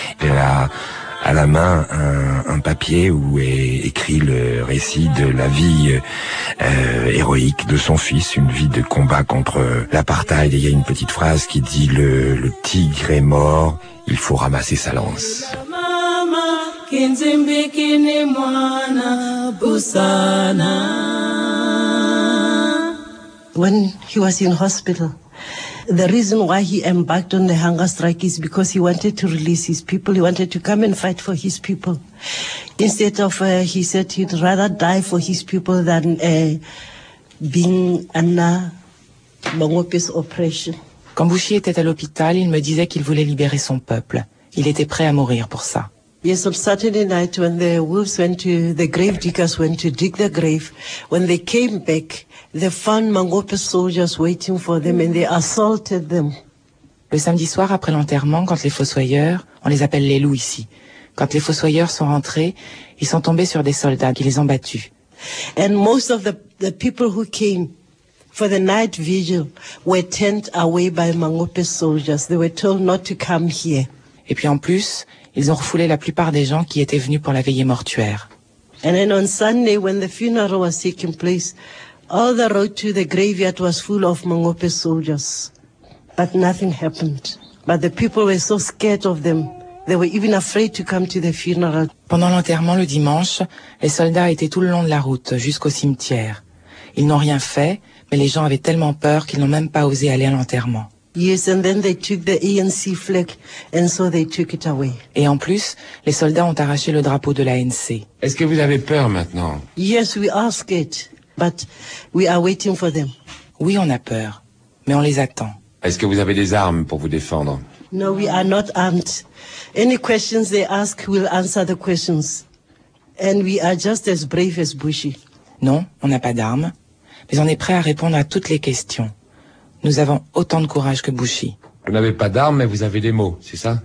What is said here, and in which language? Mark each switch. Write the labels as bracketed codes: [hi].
[fr] Elle a à la main un papier où est écrit le récit de la vie héroïque de son fils, une vie de combat contre l'apartheid. Et il y a une petite phrase qui dit le tigre est mort, il faut ramasser sa lance. [en] When he was in hospital, the reason why he embarked on the hunger strike is because he wanted to release his people. He wanted to come and fight for his people. Instead of, he said he'd rather die for his people than being under Bangopi's oppression. [fr] Quand Bushi était à l'hôpital, il me disait qu'il voulait libérer son peuple. Il était prêt à mourir pour ça. [en] Yes, on Saturday night when the wolves went to, the grave diggers went to dig the grave, when they came back, they found Mangope soldiers waiting for them and they assaulted them. [fr] Le samedi soir après l'enterrement, quand les fossoyeurs, on les appelle les loups ici, quand les fossoyeurs sont rentrés, ils sont tombés sur des soldats qui les ont battus. [en] And most of the people who came for the night vigil were turned away by Mangope soldiers. They were told not to come here. [fr] Et puis en plus, ils ont refoulé la plupart des gens qui étaient venus pour la veillée mortuaire. [en] And then on Sunday when the funeral was taking place, all the road to the graveyard was full of Mangope soldiers. But nothing happened. But the people were so scared of them. They were even afraid to come to the funeral. [fr] Pendant l'enterrement le dimanche, les soldats étaient tout le long de la route jusqu'au cimetière. Ils n'ont rien fait, mais les gens avaient tellement peur qu'ils n'ont même pas osé aller à l'enterrement. [en] Yes, and then they took the ANC flag, and so they took it away. [fr] Et en plus, les soldats ont arraché le drapeau de l'ANC. Est-ce que vous avez peur maintenant? [en] Yes, we are scared, but we are waiting for them. [fr] Oui, on a peur, mais on les attend. Est-ce que vous avez des armes pour vous défendre? [en] No, we are not armed. Any questions they ask, we'll answer the questions. And we are just as brave as Bushi. [fr] Non, on n'a pas d'armes, mais on est prêt à répondre à toutes les questions. Nous avons autant de courage que Bushi. Vous n'avez pas d'armes, mais vous avez des mots, c'est ça?